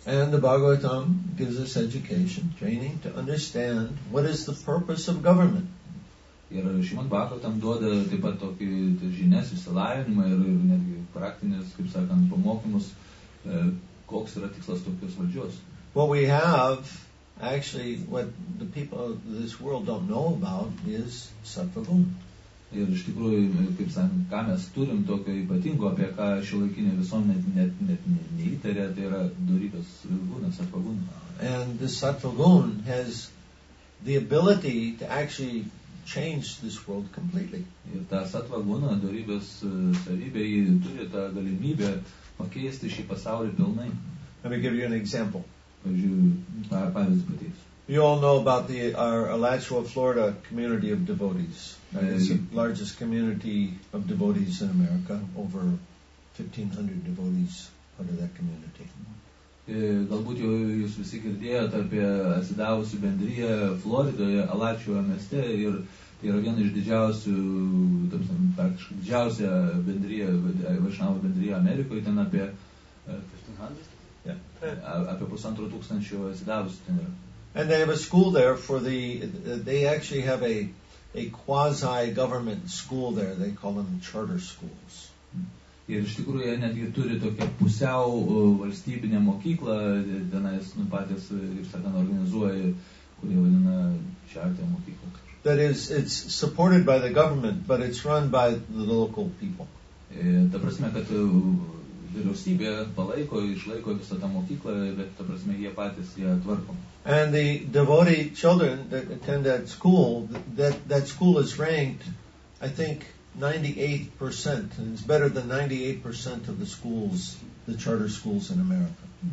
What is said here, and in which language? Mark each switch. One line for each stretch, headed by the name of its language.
English: And the Bhagavatam gives us education, training to understand what is the purpose of government.
Lithuanian: Ir Šimat Bhagavatam duoda taip pat tokį žinias, išsilavinimą ir netgi praktinės, kaip sakant, pamokymus, koks yra tikslas tokios valdžios.
English: What we have, actually, what the people of this world don't know about is Sattva-gun.
Lithuanian: Ir iš tikrųjų, kaip sakant, ką mes turim tokio ypatingo, apie ką šiuolaikinė visuomenė net neįtarė, tai yra dorybės gunas, Sattva-gun.
English: And the Sattva-gun has the ability to actually change this world completely.
Lithuanian: Ir ta sattva guna, dorybės savybė, ji turi tą galimybę pakeisti šį pasaulį pilnai.
English: Let me give you an example.
Lithuanian: Pavyzdį pateiksiu.
English: You all know about our Alachua, Florida community of devotees. It's the largest community of devotees in America. Over 1,500 devotees out of that community.
Lithuanian: Galbūt jau jūs visi girdėjote apie atsidavusių bendriją Floridoje, Alachua mieste, ir tai yra viena iš didžiausių, praktiškai didžiausia bendrija, Vaišnavų bendrija Amerikoje, ten apie 1500? Apie 1,500 atsidavusių ten yra.
English: And they have a school there for the, they actually have a quasi-government school there, they call them charter schools.
Lithuanian: Ir iš tikrųjų jie netgi turi tokią pusiau valstybinę mokyklą, tenais patys, kaip sakant, organizuoja, kurie vadina šartę mokyklą.
English: That is, it's supported by the government, but it's run by the local people.
Lithuanian: Ta prasme, kad vyriausybė palaiko, išlaiko visą tą mokyklą, bet ta prasme, jie patys ją tvarko.
English: And the devotee children that attend that school, that school is ranked, I think, 98%, and it's better than 98% of the schools, the charter schools in America.